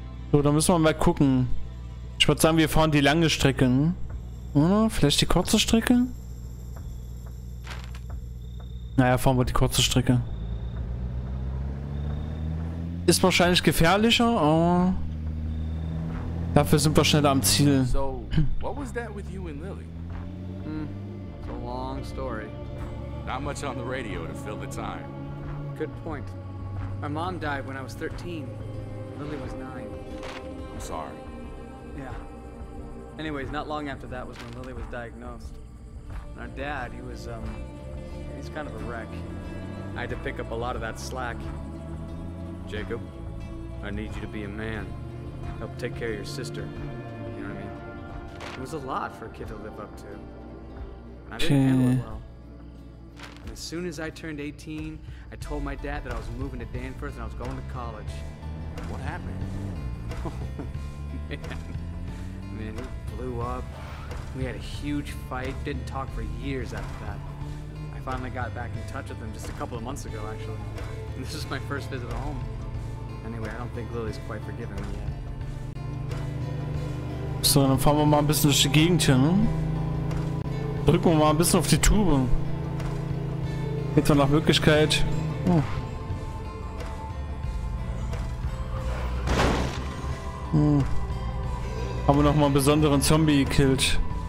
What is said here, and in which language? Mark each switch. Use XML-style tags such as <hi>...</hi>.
<de>So, dann müssen wir mal gucken. Ich würde sagen, wir fahren die lange Strecke, ne? Oder? Vielleicht die kurze Strecke? Naja, fahren wir die kurze Strecke. Ist wahrscheinlich gefährlicher, aber dafür sind wir schneller am Ziel.</de> <en>So, what was that with you and Lily? It's a long story. Not much on the radio to fill the time. Good point. My mom died when I was 13. Lily was 9. I'm sorry. Yeah. Anyways, not long after that was when Lily was diagnosed. And our dad, he was, he's kind of a wreck. I had to pick up a lot of that slack. Jacob, I need you to be a man. Help take care of your sister. You know what I mean? It was a lot for a kid to live up to. And I didn't handle it well. And as soon as I turned 18, I told my dad that I was moving to Danforth and I was going to college. What happened? Oh, man. Man, he blew up. We had a huge fight. Didn't talk for years after that. Finally got back in touch with him just a couple of months ago, actually. And this is my first visit home. Anyway, I don't think Lily's quite forgiven me yet.</en> <de>So, dann fahren wir mal ein bisschen durch die Gegend hier, ne? Drücken wir mal ein bisschen auf die Tube. Jetzt mal nach Möglichkeit. Oh. Hm. Haben wir noch mal einen besonderen Zombie gekillt.</de>